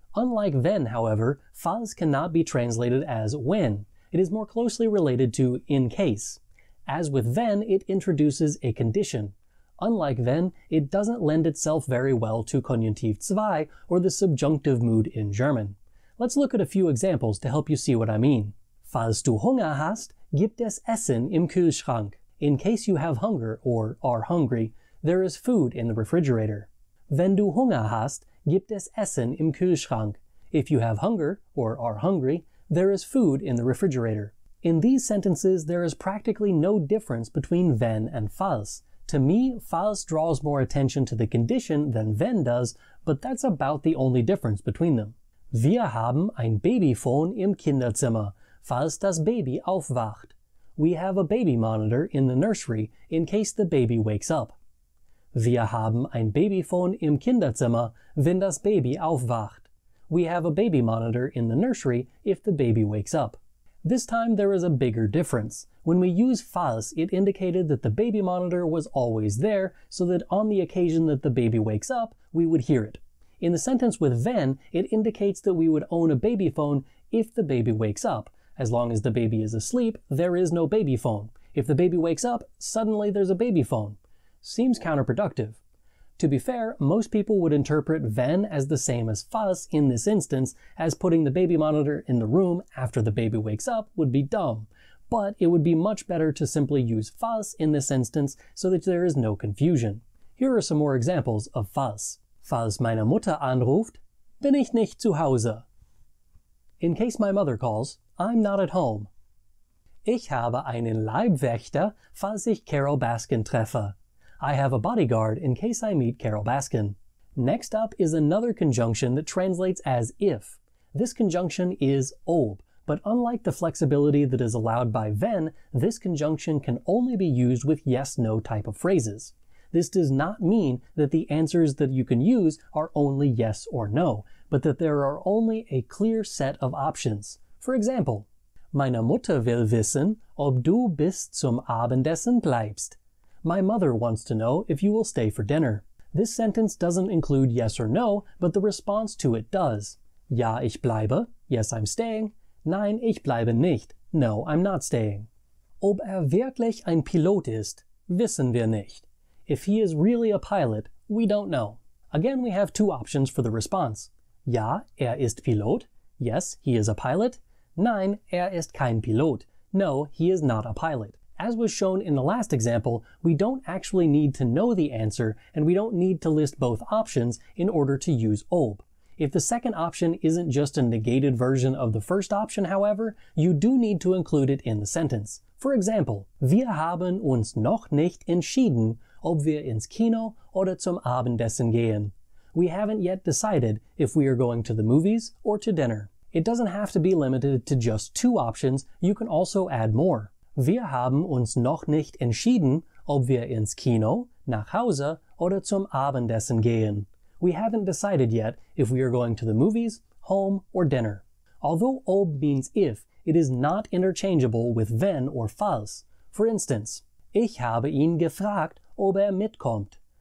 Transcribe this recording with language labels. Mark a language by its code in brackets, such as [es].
[en] Unlike wenn, however, falls cannot be translated as when. It is more closely related to in case. As with wenn, it introduces a condition. Unlike wenn, it doesn't lend itself very well to Konjunktiv 2 or the subjunctive mood in German. Let's look at a few examples to help you see what I mean. [de] Falls du Hunger hast, gibt es Essen im Kühlschrank. [en] In case you have hunger or are hungry, there is food in the refrigerator. [de] Wenn du Hunger hast, gibt es Essen im Kühlschrank. [en] If you have hunger or are hungry, there is food in the refrigerator. In these sentences, there is practically no difference between wenn and falls. To me, falls draws more attention to the condition than wenn does, but that's about the only difference between them. [de] Wir haben ein Babyphone im Kinderzimmer, falls das Baby aufwacht. [en] We have a baby monitor in the nursery in case the baby wakes up. [de] Wir haben ein Babyphone im Kinderzimmer, wenn das Baby aufwacht. [en] We have a baby monitor in the nursery if the baby wakes up. This time there is a bigger difference. When we use falls, it indicated that the baby monitor was always there, so that on the occasion that the baby wakes up, we would hear it. In the sentence with wenn, it indicates that we would own a baby phone if the baby wakes up. As long as the baby is asleep, there is no baby phone. If the baby wakes up, suddenly there's a baby phone. Seems counterproductive. To be fair, most people would interpret wenn as the same as falls in this instance, as putting the baby monitor in the room after the baby wakes up would be dumb. But it would be much better to simply use falls in this instance so that there is no confusion. Here are some more examples of falls. [de] Falls meine Mutter anruft, bin ich nicht zu Hause. [en] In case my mother calls, I'm not at home. [de] Ich habe einen Leibwächter, falls ich Carol Baskin treffe. [en] I have a bodyguard in case I meet Carol Baskin. Next up is another conjunction that translates as if. This conjunction is ob, but unlike the flexibility that is allowed by wenn, this conjunction can only be used with yes-no type of phrases. This does not mean that the answers that you can use are only yes or no, but that there are only a clear set of options. For example, [de] meine Mutter will wissen, ob du bis zum Abendessen bleibst. [en] My mother wants to know if you will stay for dinner. This sentence doesn't include yes or no, but the response to it does. [de] Ja, ich bleibe. [en] Yes, I'm staying. [de] Nein, ich bleibe nicht. [en] No, I'm not staying. [de] Ob wirklich ein Pilot ist, wissen wir nicht. [en] If he is really a pilot, we don't know. Again, we have two options for the response. [de] Ja, ist Pilot. [en] Yes, he is a pilot. [de] Nein, ist kein Pilot. [en] No, he is not a pilot. As was shown in the last example, we don't actually need to know the answer, and we don't need to list both options in order to use ob. If the second option isn't just a negated version of the first option, however, you do need to include it in the sentence. For example, [de] wir haben uns noch nicht entschieden, ob wir ins Kino oder zum Abendessen gehen. [en] We haven't yet decided if we are going to the movies or to dinner. It doesn't have to be limited to just two options, you can also add more. [de] Wir haben uns noch nicht entschieden, ob wir ins Kino, nach Hause oder zum Abendessen gehen. [en] We haven't decided yet if we are going to the movies, home, or dinner. Although ob means if, it is not interchangeable with wenn or falls. For instance, [de] ich habe ihn gefragt, ob mitkommt.